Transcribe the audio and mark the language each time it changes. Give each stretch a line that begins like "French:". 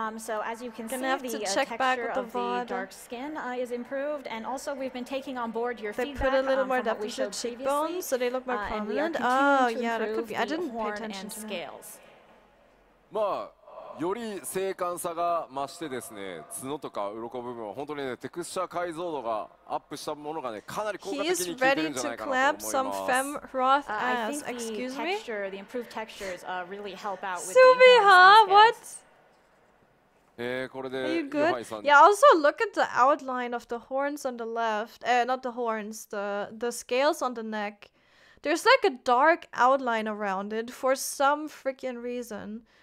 English: So as you can see, the texture of the dark skin is improved, and also we've been taking on board your feedback. They put a little more depth into the cheekbones, so they look more prominent. Oh yeah, that could be. I didn't pay attention to scales.
Japanese: より精緻さが増してですね、角とか鱗部分は本当にね、テクスチャー解像度がアップしたものがね、かなり効果的に効いてるんじゃないかなと思います。
English: He's ready to clamp some Fem Hroth ass. Excuse me. I think the texture, the improved textures, really help out with the huh? What?
Japanese: これで
English: Are you good? Yeah. Also, look at the outline of the horns on the left. Not the horns. The scales on the neck. There's like a dark outline around it for some freaking reason.